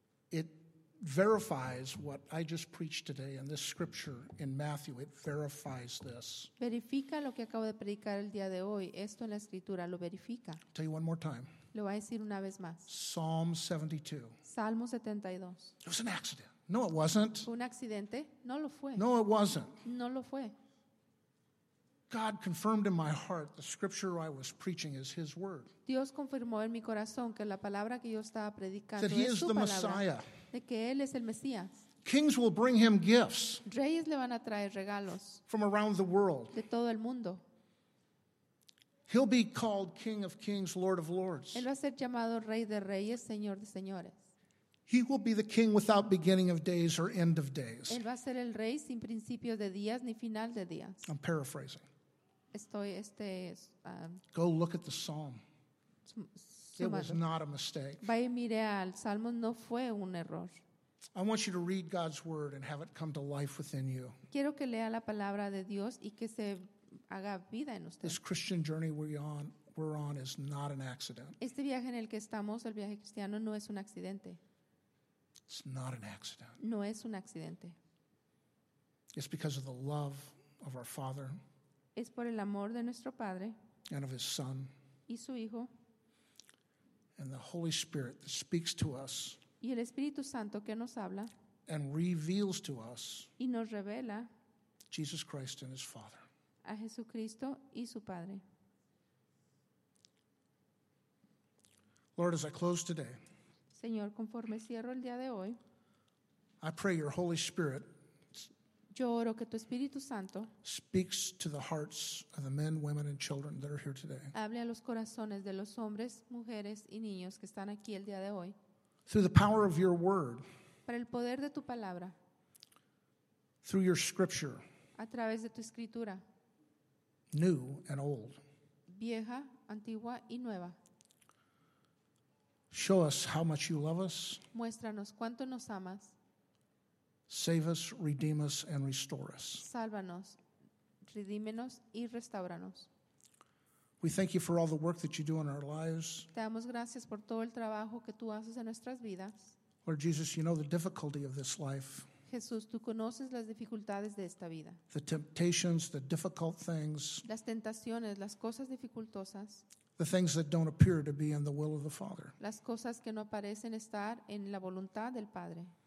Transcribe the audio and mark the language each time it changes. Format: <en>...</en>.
<en>It verifies what I just preached today in this scripture in Matthew. It verifies this.</en> <es>Verifica lo que acabo de predicar el día de hoy. Esto en la escritura lo verifica.</es> <en>I'll tell you one more time.</en> <es>Le voy a decir una vez más.</es> <en>Psalm 72.</en> <es>Salmo 72.</es> <en>It was an accident. No, it wasn't.</en> <es>Un accidente. No lo fue.</es> <en>No, it wasn't.</en> <es>No lo fue.</es> <en>God confirmed in my heart the scripture I was preaching is His word.</en> <es>Dios confirmó en mi corazón que la palabra que yo estaba predicando</es> <en>that</en> <es>es su palabra.</es> <en>That He is the Messiah.</en> <es>De que él es el Mesías.</es> <en>Kings will bring him gifts.</en> <es>Reyes le van a traer regalos.</es> <en>From around the world.</en> <es>De todo el mundo.</es> <en>He'll be called King of Kings, Lord of Lords.</en> <es>Él va a ser llamado Rey de Reyes, Señor de Señores.</es> <en>He will be the King without beginning of days or end of days.</en> <es>Él va a ser el Rey sin principio de días ni final de días.</es> <en>I'm paraphrasing.</en> <es>Estoy</es> <en>Go look at the Psalm. It was not a mistake.</en> <es>Vaya, mire al Salmo, no fue un error.</es> <en>I want you to read God's word and have it come to life within you.</en> <es>Quiero que lea la palabra de Dios y que se haga vida en usted.</es> <en>This Christian journey we're on is not an accident.</en> <es>Este viaje en el que estamos, el viaje cristiano, no es un accidente.</es> <en>It's not an accident.</en> <es>No es un accidente.</es> <en>It's because of the love of our Father.</en> <es>Es por el amor de nuestro Padre.</es> <en>And of His Son.</en> <es>Y su Hijo.</es> <en>and the Holy Spirit that speaks to us</en> <es>y el Espíritu Santo que nos habla</es> <en>and reveals to us</en> <es>y nos revela</es> <en>Jesus Christ and his Father.</en> <es>A Jesucristo y su Padre.</es> <en>Lord, as I close today,</en> <es>Señor, conforme cierro el día de hoy,</es> <en>I pray your Holy Spirit</en> <es>yo oro que tu Espíritu Santo</es> <en>speaks to the hearts of the men, women, and children that are here today.</en> <es>Hable a los corazones de los hombres, mujeres, y niños que están aquí el día de hoy.</es> <en>Through the power of your word.</en> <es>Para el poder de tu palabra.</es> <en>Through your scripture.</en> <es>A través de tu escritura.</es> <en>New and old.</en> <es>Vieja, antigua, y nueva.</es> <en>Show us how much you love us.</en> <es>Muéstranos cuánto nos amas.</es> <en>Save us, redeem us, and restore us.</en> <es>Sálvanos, redímenos y restáuranos.</es> <en>We thank you for all the work that you do in our lives.</en> <es>Te damos gracias por todo el trabajo que tú haces en nuestras vidas.</es> <en>Lord Jesus, you know the difficulty of this life.</en> <es>Jesús, tú conoces las dificultades de esta vida.</es> <en>The temptations, the difficult things.</en> <es>Las tentaciones, las cosas dificultosas.</es> <en>The things that don't appear to be in the will of the Father.</en> <es>Las cosas que no parecen estar en la voluntad del Padre.</es>